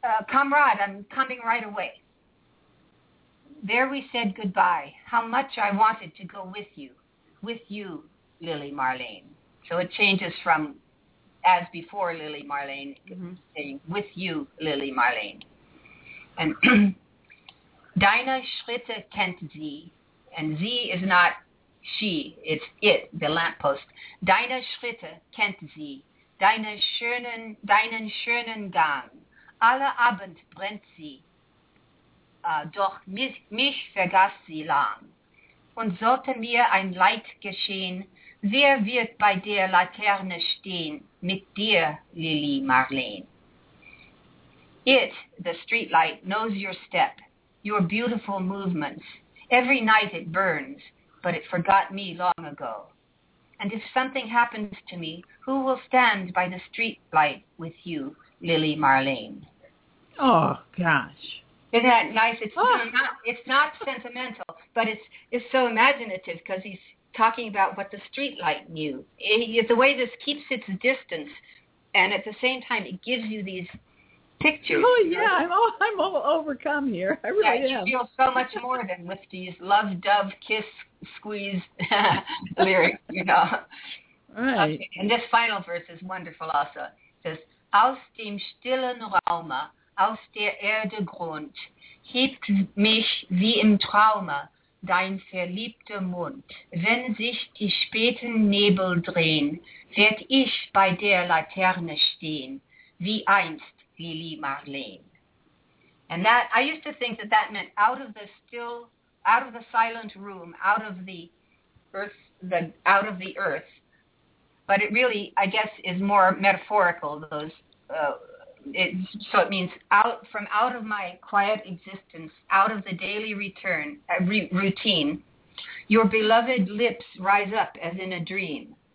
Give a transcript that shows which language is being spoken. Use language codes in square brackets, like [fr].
[en] Comrade, I'm coming right away. There we said goodbye. How much I wanted to go with you. With you, Lily Marleen. So it changes from as before, Lily Marleen, saying, with you, Lily Marleen. And [de] deine Schritte kennt sie. [en] And Z is not she, it's it, the lamppost. [de] Deine Schritte kennt sie, deinen schönen Gang. Alle Abend brennt sie, doch mich vergaß sie lang. Und sollte mir ein Leid geschehen, wer wird bei der Laterne stehen, mit dir, Lili Marleen? [en] It, the streetlight, knows your step, your beautiful movements. Every night it burns, but it forgot me long ago. And if something happens to me, who will stand by the street light with you, Lily Marleen? Oh, gosh. Isn't that nice? It's not sentimental, but it's so imaginative because he's talking about what the street light knew. The way this keeps its distance, and at the same time it gives you these pictures. Oh, yeah, I'm all overcome here. I really am. You feel so much more than with these love, dove, kiss, squeeze lyrics, you know. Right. Okay. And this final verse is wonderful also. It says, [de] aus dem stillen Raume, aus der Erde Grund, hebt mich wie im Traume, dein verliebter Mund. Wenn sich die späten Nebel drehen, werd ich bei der Laterne stehen, wie einst Lili Marleen. [en] And that, I used to think that that meant out of the still, out of the silent room, out of the earth, the out of the earth. But it really, I guess, is more metaphorical. It means out of my quiet existence, out of the daily routine, your beloved lips rise up as in a dream.